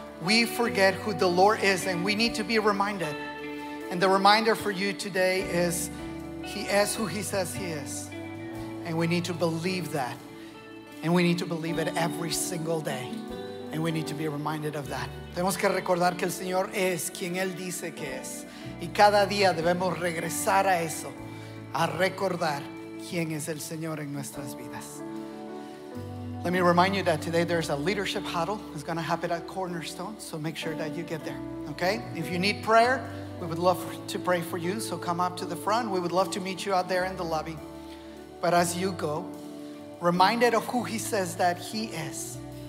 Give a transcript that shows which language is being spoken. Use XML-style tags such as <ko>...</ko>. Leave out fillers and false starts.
<en>We forget who the Lord is and we need to be reminded. And the reminder for you today is He is who He says He is. And we need to believe that. And we need to believe it every single day. And we need to be reminded of that.</en> <es>Tenemos que recordar que el Señor es quien Él dice que es. Y cada día debemos regresar a eso, a recordar quién es el Señor en nuestras vidas.</es> <en>Let me remind you that today there's a leadership huddle. It's going to happen at Cornerstone, so make sure that you get there, okay? If you need prayer, we would love to pray for you, so come up to the front. We would love to meet you out there in the lobby. But as you go, reminded of who He says that He is.</en>